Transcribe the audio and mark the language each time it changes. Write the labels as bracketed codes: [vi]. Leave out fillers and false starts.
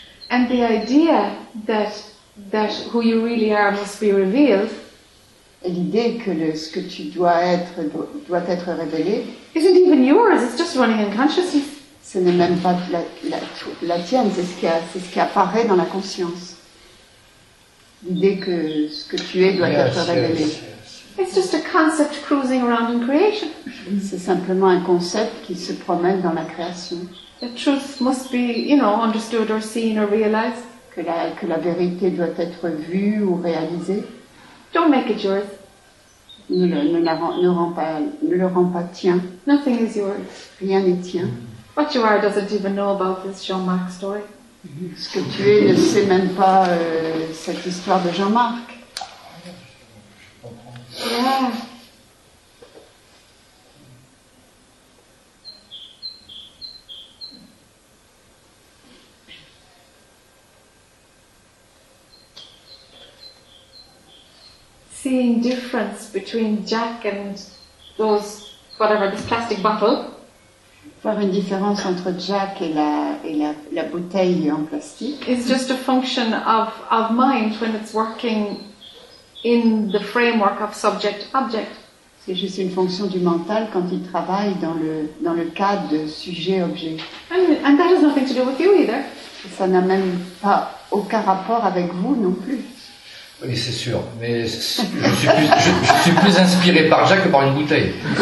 [en] And the idea that who you really are must be revealed. [fr] Et l'idée que ce que tu dois être doit être révélé. [en] Isn't even yours? It's just running in consciousness. [fr] Ce n'est même pas la tienne, c'est ce qui apparaît dans la conscience. L'idée que ce que tu es doit être révélé. [en] It's just a concept cruising around in creation. [fr] C'est simplement un concept qui se promène dans la création. [en] The truth must be, you know, understood or seen or realized. [fr] Que la vérité doit être vue ou réalisée. [en] Don't make it yours. [fr] Ne le rends pas tien. [en] Nothing is yours. [fr] Rien n'est tien. [en] What you are doesn't even know about this Jean-Marc story. [fr] Ce que tu es ne sait même pas cette histoire de Jean-Marc. [en] Yeah. Seeing difference between Jack and those whatever this plastic bottle. [fr] Voir une différence entre Jack et la bouteille en plastique. [en] It's just a function of mind when it's working in the framework of subject-object. [fr] C'est juste une fonction du mental quand il travaille dans le cadre de sujet-objet. [en] And that has nothing to do with you either. [fr] Et ça n'a même pas aucun rapport avec vous non plus. Oui, c'est sûr. Mais je suis plus inspiré par Jack que par une bouteille.